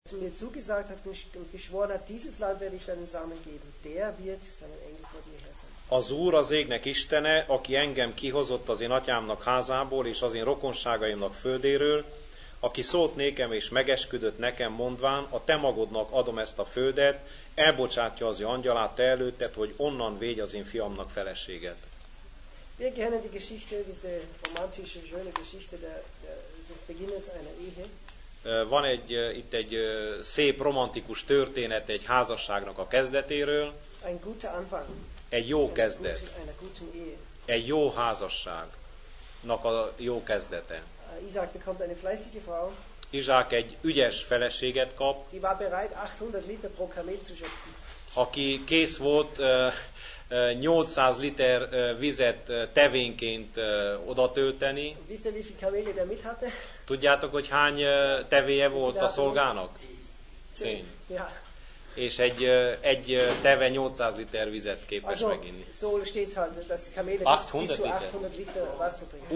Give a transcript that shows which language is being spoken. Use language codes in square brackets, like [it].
[de] was mir zugesagt hat und geschworen hat, dieses Land werde ich deinen Samen geben. Der wird seinen Engel vor dir her sein. [hu] Az Úr az égnek Istene, aki engem kihozott az én atyámnak házából és az én rokonságaimnak földéről, aki szólt nékem és megesküdött nekem mondván, a te magodnak adom ezt a földet, elbocsátja az ő angyalát te előtted, hogy onnan védj az én fiamnak feleséget. [de] Wir kennen die Geschichte, diese romantische, schöne Geschichte des Beginnes einer Ehe. [hu] Van egy, itt egy szép romantikus történet egy házasságnak a kezdetéről. [de] Ein guter Anfang. [hu] Egy jó kezdet. Egy jó házasságnak a jó kezdete. [de] Isaac bekommt eine fleißige Frau. [hu] Isaac egy ügyes feleséget kap. [de] Die war bereit 800 Liter pro Kamel zu schöpfen. [hu] Aki kész volt 800 liter vizet tevénként oda tölteni. [de] Wisst ihr, wie viel Kamele der mit hatte? [hu] Tudjátok, hogy hány tevéje volt a szolgának? [de] Zehn. Ja. [hu] És egy egy teve 800 liter vizet képes meginni. [de] So steht's halt, dass die Kamele bis zu 800 liter Wasser trinken.